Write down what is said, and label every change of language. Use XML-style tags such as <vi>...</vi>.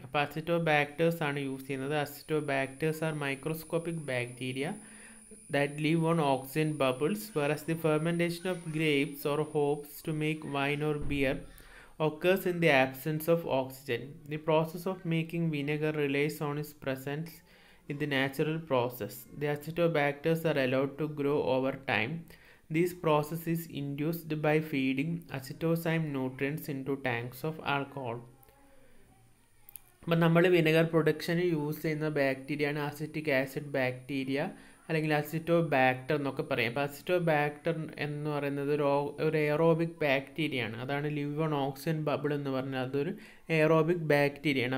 <ml>അപ്പോൾ അസിറ്റോബാക്ടേഴ്സ് ആണ് യൂസ് ചെയ്യുന്നത്.</ml> <en>Acetobacters are microscopic bacteria that live on oxygen bubbles, whereas the fermentation of grapes or hops to make wine or beer occurs in the absence of oxygen. The process of making vinegar relies on its presence in the natural process. The acetobacters are allowed to grow over time. This process is induced by feeding acetosine nutrients into tanks of alcohol.</en> <ml>അപ്പം നമ്മൾ vinegar production use ചെയ്യുന്ന ബാക്ടീരിയാണ് acetic acid bacteria അല്ലെങ്കിൽ അസിറ്റോബാക്ടർ എന്നൊക്കെ പറയും. അപ്പോൾ അസിറ്റോബാക്ടർ എന്ന് പറയുന്നത് ഒരു എയറോബിക് ബാക്ടീരിയയാണ്, അതാണ്</ml> <en>live on oxygen bubble</en> <ml>എന്ന് പറഞ്ഞാൽ അതൊരു എയറോബിക് ബാക്ടീരിയയാണ്.</ml>